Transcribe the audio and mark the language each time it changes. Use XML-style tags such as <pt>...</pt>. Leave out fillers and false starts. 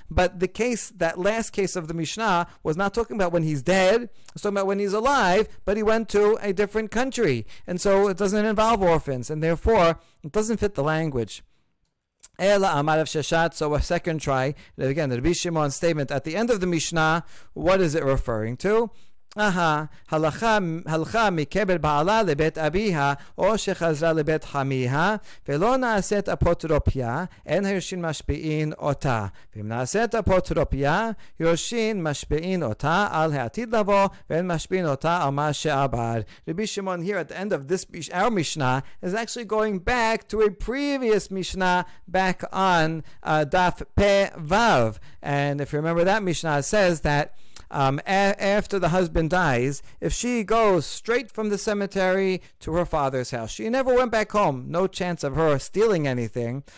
<en>But the case, that last case of the Mishnah, was not talking about when he's dead, it's talking about when he's alive, but he went to a different country. And so it doesn't involve orphans, and therefore it doesn't fit the language.</en> <arc>Ela amar</arc> <en>of Sheshat, so a second try. And again, the Rabbi Shimon's statement at the end of the Mishnah, what is it referring to?</en> <he>הלכה מקבר בעלה לבית אביה, או שחזרה לבית חמיה, ולא נעשית אפוטרופיה, אין הירושין משפיעין אותה. ואם נעשית אפוטרופיה, הירושין משפיעין אותה על העתיד לבוא, ואין משפיעין אותה על מה שעבר.</he> <en>רבי שמעון, here at the end of this, our Mishnah, is actually going back to a previous Mishnah, back on Daf Pe Vav. And if you remember, that Mishnah says that after the husband dies, if she goes straight from the cemetery to her father's house, she never went back home, no chance of her stealing anything.</en>